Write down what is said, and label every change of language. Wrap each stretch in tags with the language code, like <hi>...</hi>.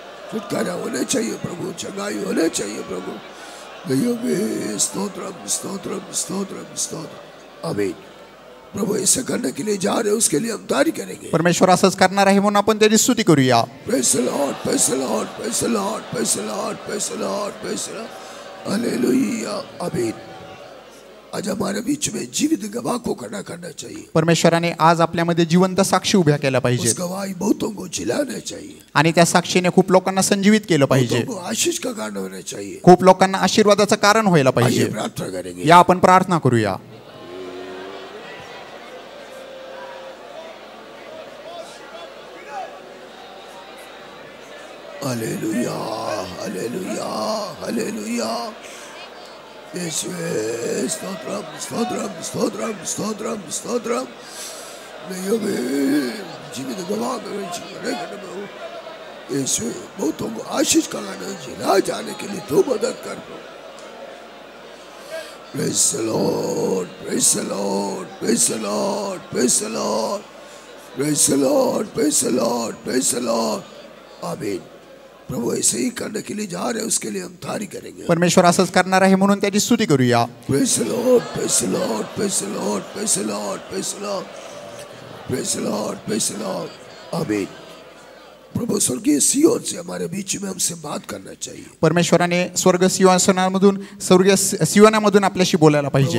<hi>छुटकारा होने चाहिए प्रभु, चंगाई होने चाहिए प्रभु। स्तोत्रम स्तोत्रम स्तोत्रम स्तोत्रम आमीन। प्रभु ऐसे करने के लिए जा रहे हैं, उसके लिए हम तारी करेंगे।</hi> <mr>परमेश्वर असंच करणार आहे, म्हणून आपण त्याची स्तुती करूया।</mr> <en>Praise Lord praise Lord praise Lord praise Lord praise Lord praise Lord hallelujah आमीन।</en> <hi>आज हमारे बीच में जीवित गवाह को खड़ा करना चाहिए।</hi> <mr>परमेश्वराने आज आपल्या मध्ये जिवंत साक्षी उभ्या केला पाहिजे।</mr> <hi>गवाही बहुतों को जिलाना चाहिए,</hi> <mr>आणि त्या साक्षीने खूप लोकांना संजीवित केलं पाहिजे।</mr> <hi>आशीष का कारण होना चाहिए,</hi> <mr>खूप लोकांना आशीर्वादाचं कारण व्हायला पाहिजे।</mr> <hi>प्रार्थना करेंगे,</hi> <mr>या आपण प्रार्थना करूया।</mr> <hi>हालेलुया हालेलुया हालेलुया आशीष कराना जिला जाने के लिए तू मदद कर।</hi> <en>Praise Lord praise Lord praise Lord praise Lord praise Lord praise Lord praise Lord आमीन।</en> <hi>प्रभु ऐसे ही करने के लिए जा रहे हैं, उसके लिए हम तारी करेंगे।</hi> <mr>परमेश्वर असंच करणार आहे, म्हणून त्याची स्तुती करूया।</mr> <en>Praise Lord praise Lord praise Lord praise Lord praise Lord praise Lord praise Lord आमीन।</en> <hi>प्रभु स्वर्गीय सिय्योन से हमारे बीच में हमसे बात करना चाहिए।</hi> <mr>परमेश्वराने स्वर्ग सिय्योनामधून स्वर्गीय सिय्योनामधून आपल्याशी बोलायला पाहिजे।</mr>